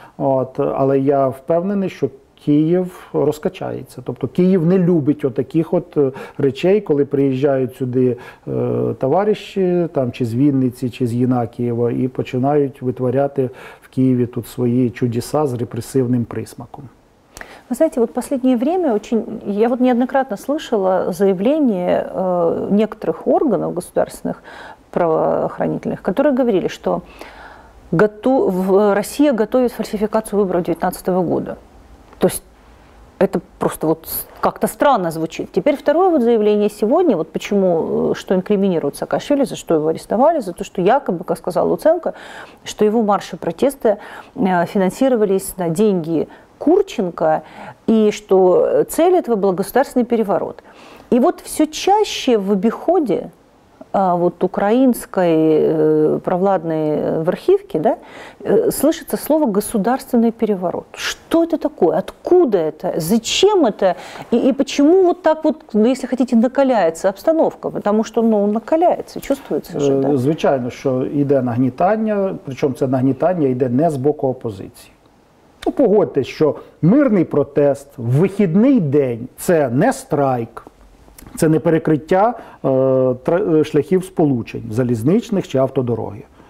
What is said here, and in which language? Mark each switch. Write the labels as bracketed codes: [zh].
[uk] От, але я впевнений, що Київ розкачається. Тобто Київ не любить отаких от речей, коли приїжджають сюди товариші, там, чи з Вінниці, чи з Єнакієва, і починають витворяти в Києві тут свої чудеса з репресивним присмаком. [ru] Вы знаете, вот последнее время очень, я вот неоднократно слышала заявления некоторых органов государственных правоохранительных, которые говорили, что Россия готовит фальсификацию выборов 2019 года. То есть это просто вот как-то странно звучит. Теперь второе вот заявление сегодня, вот почему, что инкриминируют Саакашвили, за что его арестовали, за то, что якобы, как сказал Луценко, что его марши протеста финансировались на деньги Курченко, и что цель этого был государственный переворот. И вот все чаще в обиходе вот украинской провладной верхивки, да, слышится слово «государственный переворот». Что это такое? Откуда это? Зачем это? И почему вот так вот, если хотите, накаляется обстановка? Потому что, ну, накаляется, чувствуется же, да? [uk] Звичайно, [ru] что [uk] йде нагнітання, [ru] причем [uk] це нагнітання йде не з боку опозиції. Ну, погодьтесь, що мирний протест в вихідний день – це не страйк, це не перекриття шляхів сполучень, залізничних чи автодороги.